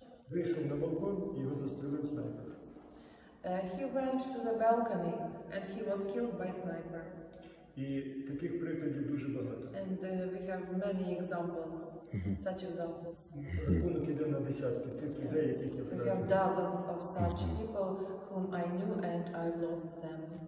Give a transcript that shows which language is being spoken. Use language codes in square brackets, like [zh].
[uk] Вийшов на балкон і його застрелив снайпер. [en] He went to the balcony and he was killed by sniper. [uk] І таких прикладів дуже багато. [en] And we have many examples, such examples. [uk] Рахунок іде на десятки тих людей, яких я втратив. [en] We have dozens of such people whom I knew and I've lost them.